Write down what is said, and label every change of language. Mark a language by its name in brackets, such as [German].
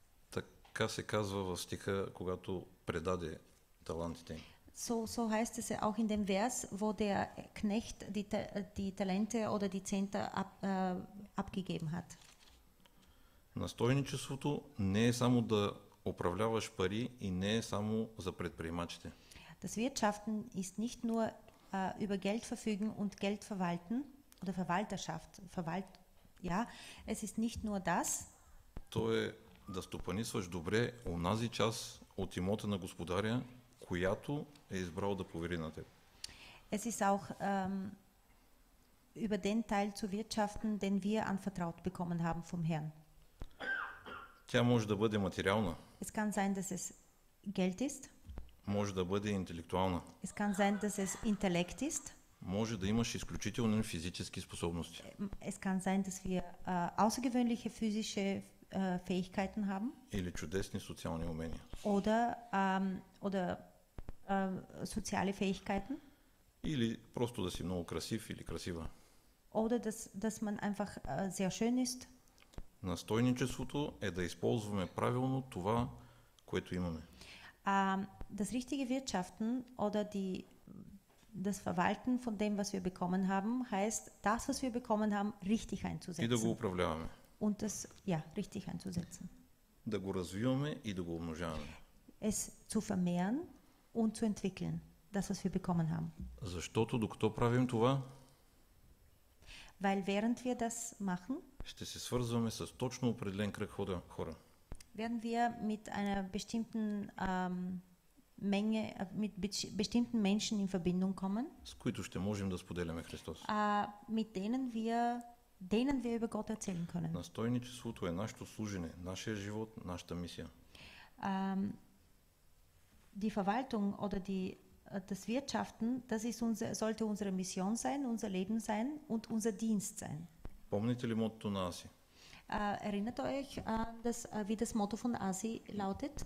[Bulgarian] Така се казва в стиха, когато предаде талантите. [German] So heißt es auch in dem Vers, wo der Knecht die Talente oder die Zehnte abgegeben hat. [Bulgarian] Настойничеството не е само да управляваш пари и не е само за предприемачите. [German] Das Wirtschaften ist nicht nur über Geld verfügen und Geld verwalten oder Verwalterschaft. Ja, es ist nicht nur das. [Bulgarian] То е да стопанисваш добре онази част от имота на господаря, която е избрал да повери на теб. [German] Es ist auch über den Teil zu wirtschaften, den wir anvertraut bekommen haben vom Herrn. [Bulgarian] Тя може да бъде материална. [German] Es kann sein, dass es Geld ist. [Bulgarian] Може да бъде интелектуална. [German] Es kann sein, dass es Intellekt ist. [Bulgarian] Може да имаш изключителни физически способности. [German] Es kann sein, dass wir außergewöhnliche physische Fähigkeiten haben. [Bulgarian] Или чудесни социални умения. [German] Oder soziale Fähigkeiten. [Bulgarian] Или просто да си много красив или красива. [German] Oder dass man einfach sehr schön ist. [Bulgarian] Настойничеството е да използваме правилно това, което имаме. [German] Das richtige Wirtschaften oder das Verwalten von dem, was wir bekommen haben, heißt, das, was wir bekommen haben, richtig einzusetzen. [Bulgarian] И да го управляваме. [German] Und das, ja, richtig einzusetzen. [Bulgarian] Да го развиваме и да го умножаваме. [German] Es zu vermehren und zu entwickeln, das, was wir bekommen haben. [Bulgarian] Защото докато правим това, [German] weil während wir das machen, [Bulgarian] ще се свързваме с точно определен кръг хора. [German] Werden wir mit einer bestimmten Menge, mit bestimmten Menschen in Verbindung kommen, [Bulgarian] с които ще можем да споделяме Христос. [German] Mit denen wir über Gott erzählen können. [Bulgarian] Настойничеството е нашето служене, нашия живот, нашата мисия. [German] Die Verwaltung oder das Wirtschaften, das ist sollte unsere Mission sein, unser Leben sein und unser Dienst sein. [Bulgarian] Помните ли мотото на Аси? [German] Erinnert euch, wie das Motto von Аси lautet?